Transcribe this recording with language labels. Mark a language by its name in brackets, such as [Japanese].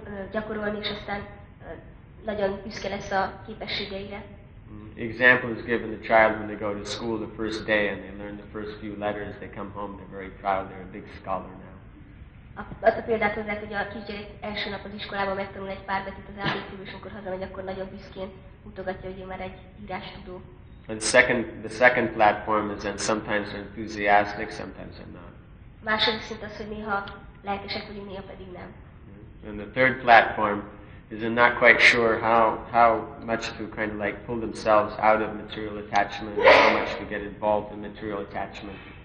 [Hungarian] Gyakorolni, és aztán nagyon büszke lesz a képességeire. [English] Example is given the child when they go to school the first day and they learn the first few letters, they come home, they're very proud, they're a big scholar now. [Hungarian] Azt a példát hozzák, hogy a kisgyerek első nap az iskolában megtanul egy pár betűt az ABC-ből, és amikor hazamegy, akkor nagyon büszkén mutogatja, hogy ő már egy írástudó. [English] The second platform is that sometimes they're enthusiastic, sometimes they're not. [Hungarian] Második szint az, hogy néha lelkesek vagyunk, néha pedig nem. [English] And the third platform is they're not quite sure how much to kind of like pull themselves out of material attachment, how much to get involved in material attachment.